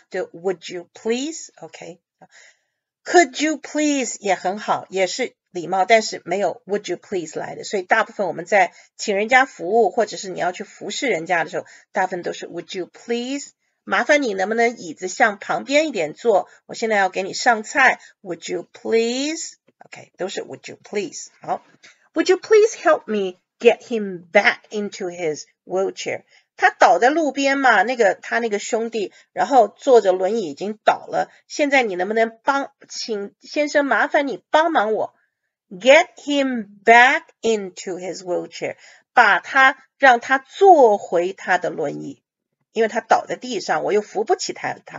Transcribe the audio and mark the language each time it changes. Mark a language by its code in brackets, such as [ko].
[zh] 就 [en] Would you please? OK，Could you please [zh] 也很好，也是礼貌，但是没有 [en] Would you please [zh] 来的。所以大部分我们在请人家服务，或者是你要去服侍人家的时候，大部分都是 [en] Would you please? [zh] 麻烦你能不能椅子向旁边一点坐？我现在要给你上菜。 [en] Would you please? OK， [zh] 都是 [en] Would you please? 好 ，Would you please help me get him back into his wheelchair? [zh] 他倒在路边嘛，那个他那个兄弟，然后坐着轮椅已经倒了。现在你能不能帮，请先生麻烦你帮忙我 ， [en] get him back into his wheelchair， [zh] 把他让他坐回他的轮椅，因为他倒在地上，我又扶不起他。